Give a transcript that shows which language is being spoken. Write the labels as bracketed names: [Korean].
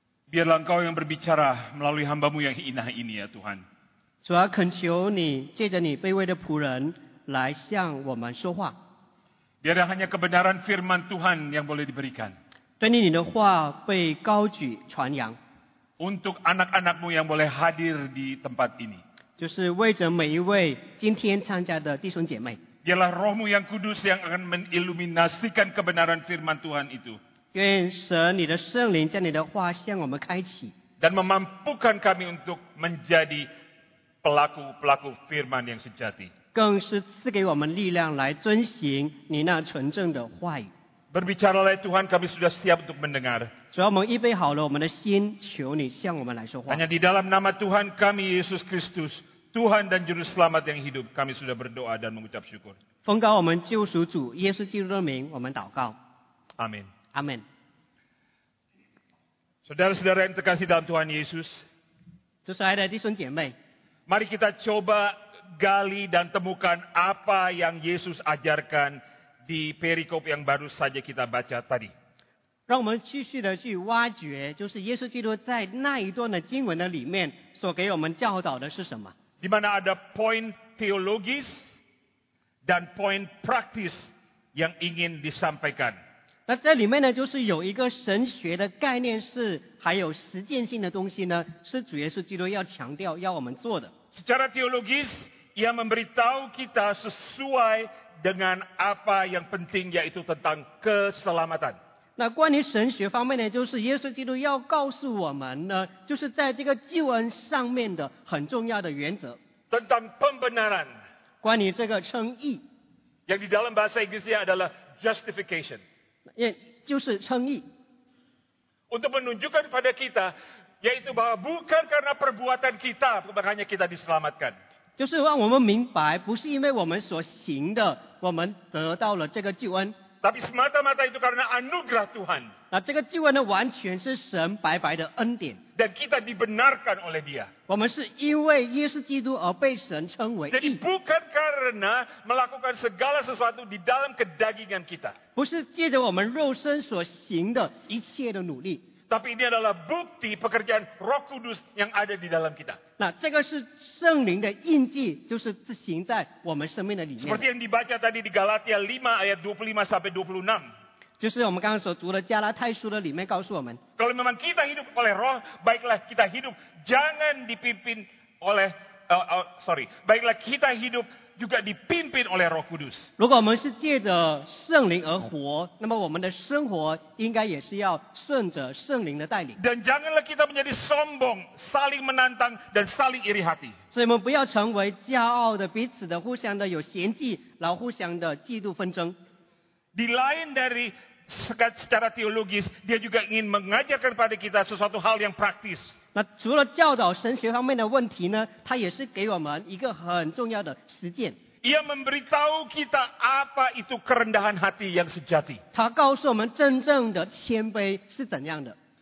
[Indonesian] Biarlah engkau yang berbicara melalui hambamu yang hina ini, ya Tuhan. [Chinese] 主啊，恳求你借着你卑微的仆人来向我们说话。 [Indonesian] Biarlah hanya kebenaran firman Tuhan yang boleh diberikan. [Chinese] 对你的话被高举传扬。 [Indonesian] Untuk anak-anakmu yang boleh hadir di tempat ini. [Chinese] 就是为着每一位今天参加的弟兄姐妹。 [Indonesian] Biarlah rohmu yang kudus yang akan meniluminasikan kebenaran firman Tuhan itu. [Chinese] 愿神你的圣灵将你的话向我们开启 [Indonesian] dan memampukan kami untuk menjadi pelaku-pelaku firman yang sejati [Chinese] 更是赐给我们力量来遵行你那纯正的话语 [Indonesian] berbicaralah Tuhan kami sudah siap untuk mendengar [Chinese] 主要我们预备好了我们的心求你向我们来说话 [Indonesian] hanya di dalam nama Tuhan kami Yesus Kristus Tuhan dan Juru Selamat yang hidup kami sudah berdoa dan mengucap syukur [Chinese] 奉告我们救赎主耶稣基督的名我们祷告 [Indonesian] Amin. Amin. Saudara-saudara yang terkasih dalam Tuhan Yesus, [Chinese] 主爱的弟兄姐妹 [Indonesian] mari kita coba gali dan temukan apa yang Yesus ajarkan di perikop yang baru saja kita baca tadi. [Chinese] 让我们继续的去挖掘，就是耶稣基督在那一段的经文的里面所给我们教导的是什么？ [Indonesian] Di mana ada poin teologis dan poin praktis yang ingin disampaikan. [Chinese] 那这里面呢，就是有一个神学的概念是，还有实践性的东西呢，是主耶稣基督要强调要我们做的。 [Indonesian] Secara teologis, ia memberitahu kita sesuai dengan apa yang penting, yaitu tentang keselamatan. [Chinese] 那关于神学方面呢，就是耶稣基督要告诉我们呢，就是在这个救恩上面的很重要的原则。 [Indonesian] Tentang pembenaran, [Chinese] 关于这个称义 [Indonesian] yang di dalam bahasa Inggrisnya adalah justification. [Chinese] 就是称义 [Indonesian] untuk menunjukkan pada kita yaitu bahwa bukan karena perbuatan kita makanya kita diselamatkan [Chinese] 就是让我们明白不是因为我们所行的我们得到了这个救恩 [Indonesian] tapi semata-mata itu karena anugerah Tuhan [Chinese] 那这个救恩呢完全是神白白的恩典 [Indonesian] dan kita dibenarkan oleh dia [Chinese] 我们是因为耶稣基督而被神称为义 [Indonesian] jadi bukan karena melakukan segala sesuatu di dalam kedagingan kita [Chinese] 不是借着我们肉身所行的一切的努力 [Indonesian] tapi ini adalah bukti pekerjaan roh kudus yang ada di dalam kita [Chinese] 那这个是圣灵的印记就是自行在我们生命的里面 [Indonesian] seperti yang dibaca tadi di Galatia 5 ayat 25 sampai 26 [Chinese] 就是我们刚刚所读的加拉太书的里面告诉我们 [Indonesian] kalau memang kita hidup oleh roh baiklah kita hidup jangan dipimpin oleh baiklah kita hidupjuga dipimpin oleh roh kudus [Chinese] 如果我们是借着圣灵而活那么我们的生活应该也是要顺着圣灵的带领 [Indonesian] dan janganlah kita menjadi sombong saling menantang dan saling iri hati [Chinese] 所以我们不要成为骄傲的彼此的互相的有嫌弃然后互相的嫉妒纷争 [Indonesian] di lain dari secara teologis dia juga ingin mengajarkan pada kita sesuatu hal yang praktis [Chinese] 那除了教导神学方面的问题呢，他也是给我们一个很重要的实践。 [Indonesian] Ia memberitahu kita apa itu kerendahan hati yang sejati。 [Chinese] 他告诉我们真正的谦卑是怎样的。